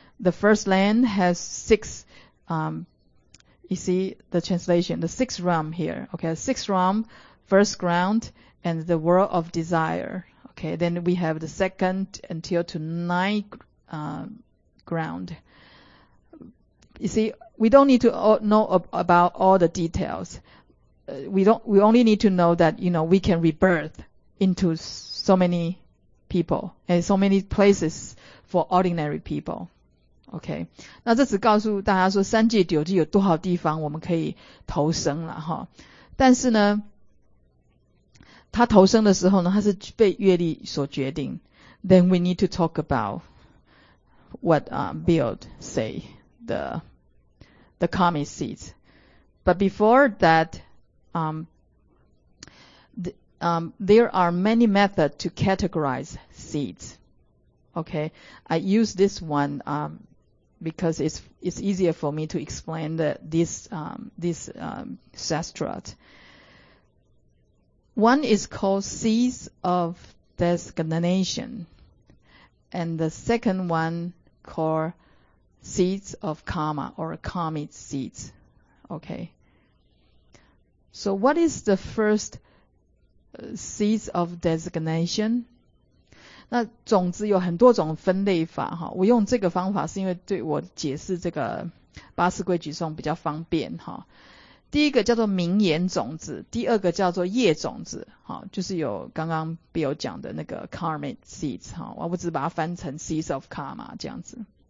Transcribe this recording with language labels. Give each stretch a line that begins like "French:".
English: The first land has six, you see the translation, the sixth realm here, okay, sixth realm, first ground, and the world of desire, okay, then we have the second until to ninth, ground. You see,We don't need to know about all the details. We only need to know that, you know, we can rebirth into so many people and so many places for ordinary people. Okay.
Chinese: 那这只告诉大家说三界九界有多少地方我们可以投生啦齁。但是呢他投生的时候呢他是被阅历所决定。
English: Then we need to talk about what, Bill say, the karmic seeds. But before that, there are many methods to categorize seeds. Okay. I use this one, because it's easier for me to explain this sastra. One is called seeds of designation. And the second one called seeds of karma or karmic seeds. Okay. So what is the first seeds of designation?
Chinese: 那种子有很多种分类法哈，我用这个方法是因为对我解释这个八识规矩颂比较方便哈。第一个叫做名言种子，第二个叫做业种子，好，就是有刚刚 Bill 讲的那个 karmic seeds 哈，我只是把它翻成 seeds of karma 这样子。